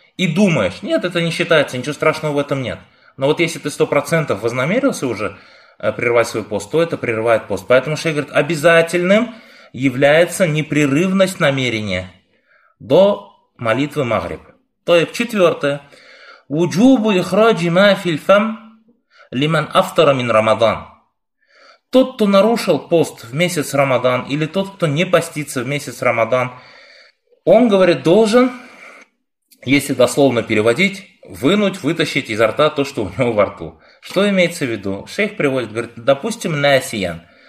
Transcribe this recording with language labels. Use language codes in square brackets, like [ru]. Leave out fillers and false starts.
[ru] И думаешь, нет, это не считается, ничего страшного в этом нет. Но вот если ты 100% вознамерился уже прервать свой пост, то это прерывает пост. Поэтому шейх говорит, обязательным является непрерывность намерения до молитвы Магриб. طيب четвертое. [ar] وجوب إخراج ما في الفم لمن أفطر من رمضان. [ru] Тот, кто нарушил пост в месяц Рамадан, или тот, кто не постится в месяц Рамадан, он, говорит, должен, если дословно переводить, вынуть, вытащить изо рта то, что у него во рту. Что имеется в виду? Шейх приводит, говорит, допустим, насиян.